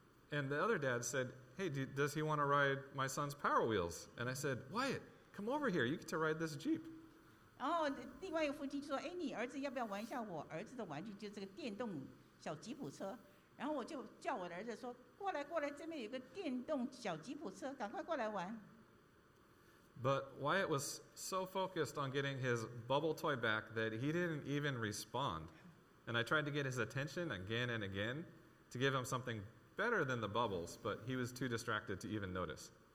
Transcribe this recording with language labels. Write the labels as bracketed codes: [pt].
[en] And the other dad said, hey, does he want to ride my son's Power Wheels? And I said, Wyatt, come over here. You get to ride this Jeep. [zh] 然后另外一个父亲说，哎，你儿子要不要玩一下我儿子的玩具，就是这个电动小吉普车。然后我就叫我的儿子说，过来，过来，这边有个电动小吉普车，赶快过来玩。 [en] But Wyatt was so focused on getting his bubble toy back that he didn't even respond. And I tried to get his attention again and again to give him something better than the bubbles, but he was too distracted to even notice.